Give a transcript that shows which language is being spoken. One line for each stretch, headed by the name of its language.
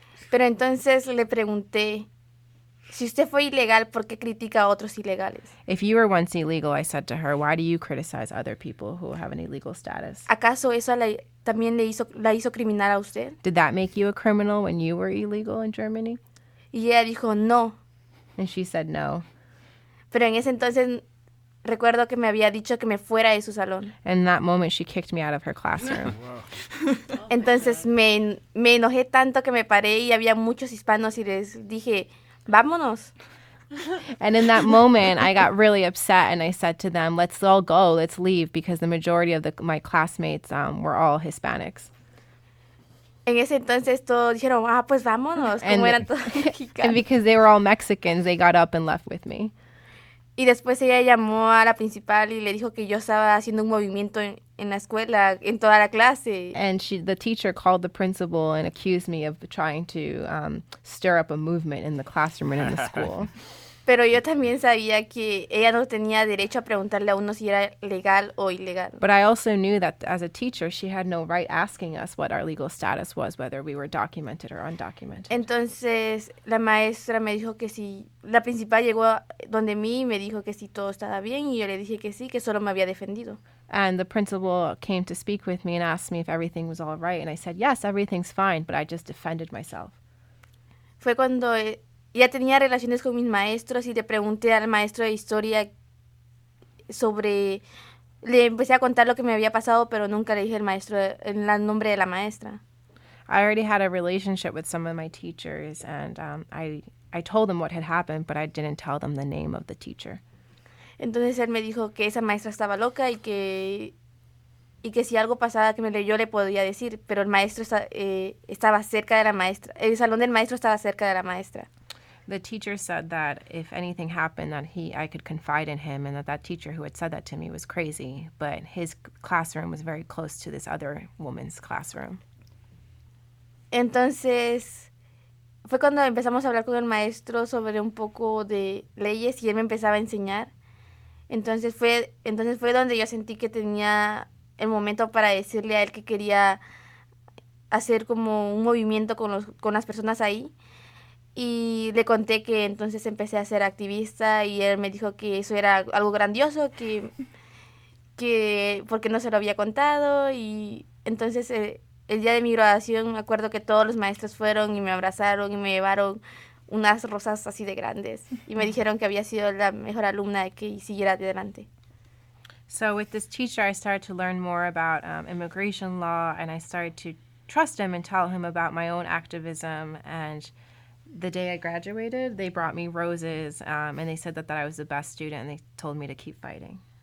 Spanish: Pero entonces le pregunté, si usted fue ilegal, ¿por qué critica a otros ilegales?
English: If you were once illegal, I said to her, why do you criticize other people who have an illegal status?
Spanish: ¿Acaso eso también la hizo criminal a usted?
English: Did that make you a criminal when you were illegal in Germany?
Spanish: Y ella dijo, no.
English: And she said no.
Spanish: Pero en ese entonces Recuerdo que me había dicho que me fuera de su salón.
English: In that moment, she kicked me out of her classroom.
Spanish: Entonces me enojé tanto que me paré y había muchos hispanos y les dije, vámonos.
English: And in that moment, I got really upset and I said to them, let's all go, let's leave, because the majority of my classmates were all Hispanics.
Spanish: En ese entonces todos dijeron, ah, pues vámonos, como eran todos mexicanos.
English: And because they were all Mexicans, they got up and left with me.
Spanish: Y después ella llamó a la principal y le dijo que yo estaba haciendo un movimiento en la escuela, en toda la clase.
English: And the teacher called the principal and accused me of trying to stir up a movement in the classroom and in the school.
Spanish: Pero yo también sabía que ella no tenía derecho a preguntarle a uno si era legal o ilegal.
English: But I also knew that as a teacher, she had no right asking us what our legal status was, whether we were documented or undocumented.
Spanish: Entonces, la maestra me dijo que si, la principal llegó donde mí y me dijo que si todo estaba bien, y yo le dije que sí, que solo me había defendido.
English: And the principal came to speak with me and asked me if everything was all right, and I said, yes, everything's fine, but I just defended myself.
Spanish: Fue cuando... Ya tenía relaciones con mis maestros y le pregunté al maestro de historia sobre... Le empecé a contar lo que me había pasado, pero nunca le dije el maestro el nombre de la maestra.
English: I already had a relationship with some of my teachers, and I told them what had happened, but I didn't tell them the name of the teacher.
Spanish: Entonces él me dijo que esa maestra estaba loca y que si algo pasaba que me leyó le podía decir, pero el maestro estaba cerca de la maestra. El salón del maestro estaba cerca de la maestra.
English: The teacher said that if anything happened, that I could confide in him, and that teacher who had said that to me was crazy, but his classroom was very close to this other woman's classroom.
Spanish: Entonces, fue cuando empezamos a hablar con el maestro sobre un poco de leyes, y él me empezaba a enseñar. Entonces fue donde yo sentí que tenía el momento para decirle a él que quería hacer como un movimiento con las personas ahí. Y le conté que entonces empecé a ser activista y él me dijo que eso era algo grandioso, que porque no se lo había contado. Y entonces el día de mi graduación me acuerdo que todos los maestros fueron y me abrazaron y me llevaron unas rosas así de grandes. Y me dijeron que había sido la mejor alumna y que siguiera adelante.
English: So with this teacher I started to learn more about immigration law, and I started to trust him and tell him about my own activism. And the day I graduated, they brought me roses, and they said that I was the best student, and they told me to keep fighting.